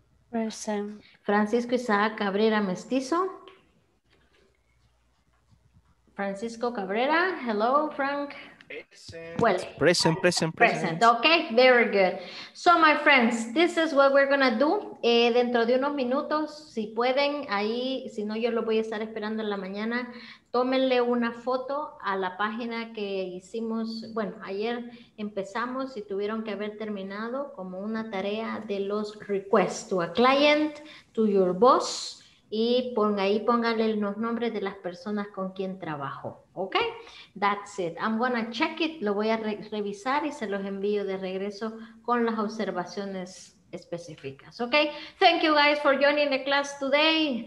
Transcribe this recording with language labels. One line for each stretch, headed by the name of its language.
English: Present. Francisco Isaac Cabrera Mestizo. Francisco Cabrera, hello, Frank. Present. Well, present. Okay, very good. So, my friends, this is what we're going to do.
Spanish: Dentro de unos minutos, si pueden, ahí, si no, yo lo voy a estar esperando en la mañana. Tómenle una foto a la página que hicimos. Bueno, ayer empezamos y tuvieron que haber terminado como una tarea de los
English: requests to a client, to your boss.
Spanish: Y ponga ahí, póngale los nombres de las personas con quien trabajo.
English: Ok, that's it. I'm gonna check it.
Spanish: Lo voy a revisar y se los envío de regreso con las observaciones específicas.
English: Ok, thank you guys for joining the class today.